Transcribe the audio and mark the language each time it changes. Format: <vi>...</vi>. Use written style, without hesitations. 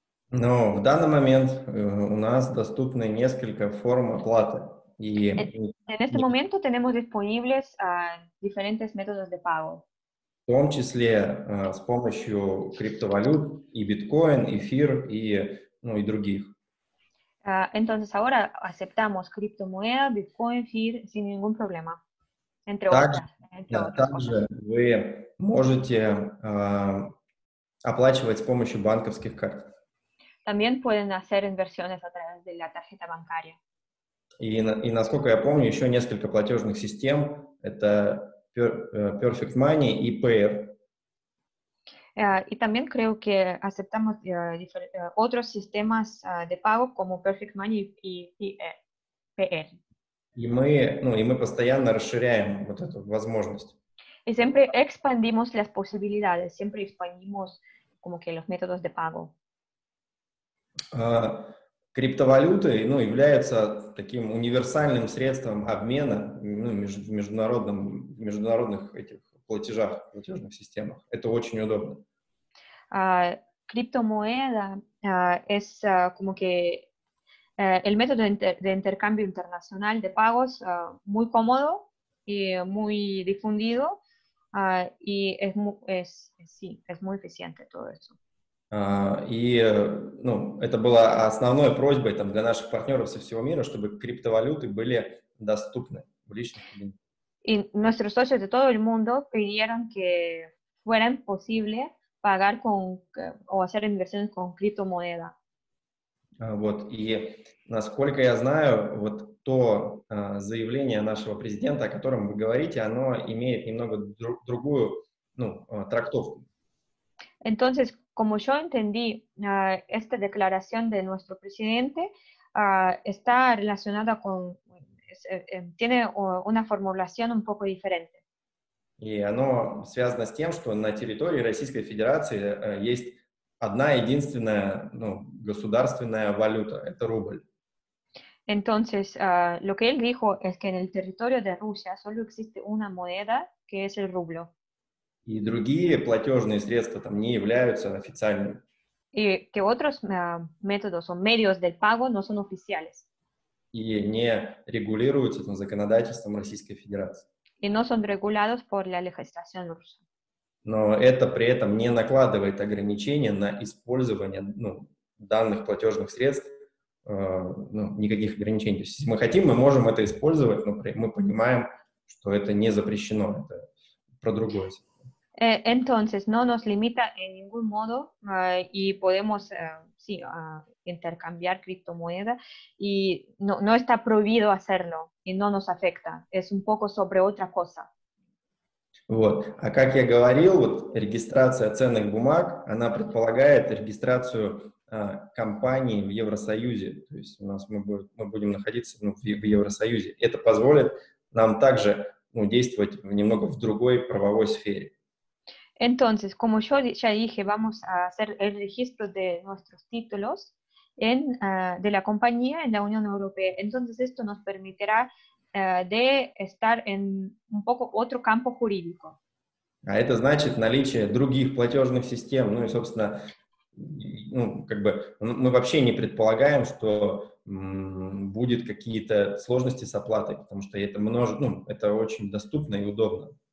<ru>Ну, в данный момент у нас доступны несколько форм оплаты.</ru> <es>En este momento tenemos disponibles diferentes métodos de pago.</es> <ru>В том числе с помощью криптовалют и биткоин, эфир и, ну, и других.</ru> <es>Entonces ahora aceptamos criptomoneda, биткоин, эфир sin ningún problema. Entre</es> <ru>также вы можете оплачивать с помощью банковских карт.</ru> <es>También pueden hacer inversiones a través de la tarjeta bancaria.</es> <ru>И насколько я помню, еще несколько платежных систем. Это Perfect Money и Payeer. И</ru> <es>también creo que aceptamos otras sistemas de pago, como Perfect Money</es> <ru>и</ru> <es>Payeer.</es> <ru>И мы постоянно расширяем вот эту возможность. И</ru> <es>siempre expandimos las posibilidades, siempre expandimos como que los métodos de pago.</es> <ru>Криптовалюты, ну, являются таким универсальным средством обмена, ну, в международных этих платежах, платежных системах. Это очень удобно.</ru> <es>Криптомоеда es como que el método de intercambio internacional de pagos muy cómodo y muy difundido y es muy eficiente todo eso.</es> <ru>И, ну, это было основной просьбой там, для наших партнеров со всего мира, чтобы криптовалюты были доступны в личных кабинетах. И наши соседи</ru> <es>de todo el mundo pidieron que fuera posible pagar con o hacer inversiones con criptomoneda.</es> <ru>Вот, и насколько я знаю, вот то заявление нашего президента, о котором вы говорите, оно имеет немного другую, ну, трактовку.</ru> <es>Entonces, como yo entendí, esta declaración de nuestro presidente está relacionada con, tiene una formulación un poco diferente. Y</es> <ru>оно связано с тем, что на территории Российской Федерации есть одна единственная, ну, государственная валюта, это рубль.</ru> <es>Entonces, lo que él dijo es que en el territorio de Rusia solo existe una moneda, que es el rublo.</es> <ru>И другие платежные средства там не являются официальными. И</ru> <es>que otros métodos o medios del pago no son oficiales.</es> <ru>И не регулируются там законодательством Российской Федерации.</ru> <es>Y no son regulados por la legislación rusa.</es> <ru>Но это при этом не накладывает ограничения на использование, ну, данных платежных средств, ну, никаких ограничений. То есть, если мы хотим, мы можем это использовать, но мы понимаем, что это не запрещено, это про другое.</ru> <es>Entonces, no nos limita en ningún modo y podemos sí, intercambiar criptomoneda y no está prohibido hacerlo y no nos afecta. Es un poco sobre otra cosa.</es> <ru>Вот. А как я говорил, вот регистрация ценных бумаг, она предполагает регистрацию компании в Евросоюзе. То есть у нас мы будем находиться, ну, в Евросоюзе. Это позволит нам также, ну, действовать немного в другой правовой сфере.</ru> <es>Entonces, como yo ya dije, vamos a hacer el registro de nuestros títulos en, de la compañía en la Unión Europea. Entonces, esto nos permitirá de estar en un poco otro campo jurídico.</es> <ru>А это значит наличие других платежных систем. Ну и, собственно, ну, как бы, мы вообще не предполагаем, что будет какие-то сложности с оплатой, потому что это, ну, это очень доступно и удобно.</ru>